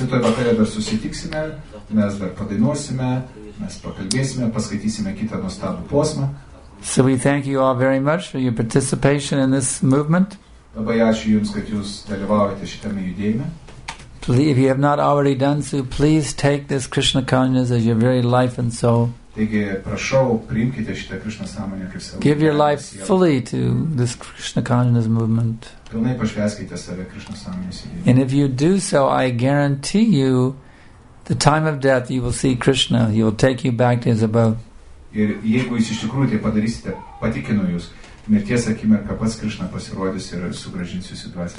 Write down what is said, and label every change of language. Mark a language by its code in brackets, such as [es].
[lt] Mes rytoj vakare dar susitiksime, mes dar padainuosime, mes pakalbėsime, paskaitysime kitą nuostabų posmą. [en] So we thank you all very much for your participation in this movement. [lt] Labai ačiū jums, kad jūs dalyvaujate šitame judėjime. [en] Please, if you have not already done so, please take this Krishna consciousness as your very life and soul. [lt] Taigi, prašau, priimkite šitą Krishna sąmonę kaip savo. [en] Give your life fully to this Krishna consciousness movement. [lt] Pilnai pašvieskite save Krishna sąmonės judėjimu. [en] And if you do so, I guarantee you, the time of death, you will see Krishna. He will take you back to his abode. [lt] Ir jeigu jūs iš tikrųjų tai padarysite, patikinu jūs, mirties akimirka pats Krishna pasirodys ir sugražins jūsų dvasią.